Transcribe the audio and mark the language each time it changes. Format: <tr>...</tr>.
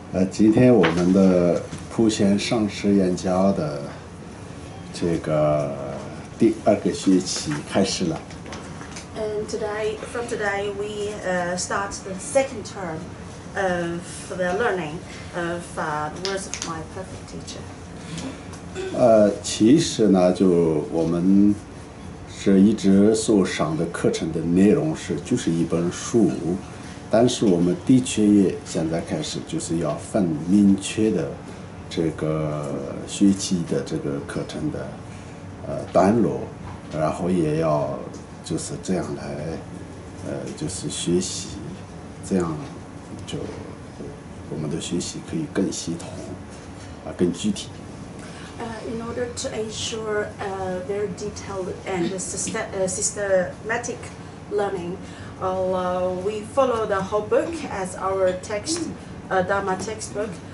<zh>今天我们的普贤上师演讲的这个第二个学期开始了。</zh> <en>And today, from today, we start the second term of the learning of the words of my perfect teacher.</en> <zh>其实呢，就我们是一直所上的课程的内容是，就是一本书。但是我们的确也现在开始就是要分明确的这个学期的这个课程的段落，然后也要就是这样来就是学习，这样就我们的学习可以更系统啊，更具体。</zh> <en>In order to ensure very detailed and systematic learning. We follow the whole book as our text, Dharma textbook.</en>